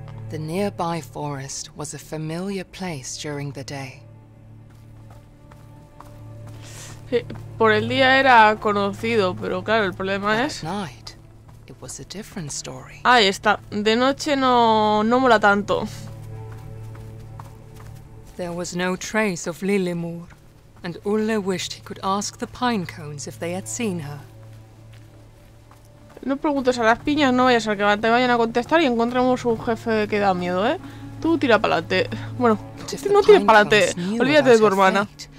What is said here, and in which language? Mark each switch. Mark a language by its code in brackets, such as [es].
[en] The nearby forest was a familiar place during the day. [es] Sí, por el día era conocido, pero claro, el problema es... [en] At night, it was a different story. [es] Ahí está. De noche no mola tanto. [en] There was no trace of Lilimor, and Ulle wished he could ask the pine cones if they had seen her. [es] No preguntes a las piñas, no vaya a ser que te vayan a contestar y encontremos un jefe que da miedo, ¿eh? Tú tira pa'lante. Bueno, no tires pa'lante. Olvídate de tu hermana.